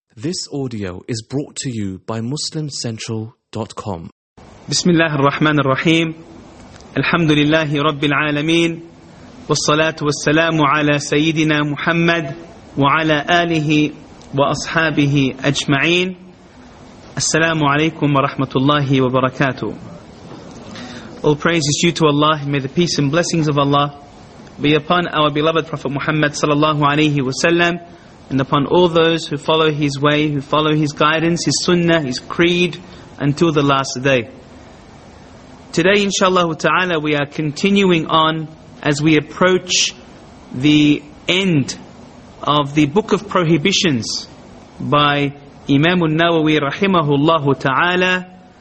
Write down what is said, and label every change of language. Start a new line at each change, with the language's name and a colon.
English: This audio is brought to you by MuslimCentral.com.
Arabic: بسم الله الرحمن الرحيم الحمد لله رب العالمين والصلاة والسلام على سيدنا محمد وعلى آله وأصحابه أجمعين السلام عليكم ورحمة الله وبركاته.
English: All praises due to Allah, may the peace and blessings of Allah be upon our beloved Prophet Muhammad sallallahu alayhi wa sallam, and upon all those who follow his way, who follow his guidance, his sunnah, his creed, until the last day. Today, inshallah ta'ala, we are continuing on as we approach the end of the Book of Prohibitions by Imam al-Nawawi rahimahullahu ta'ala,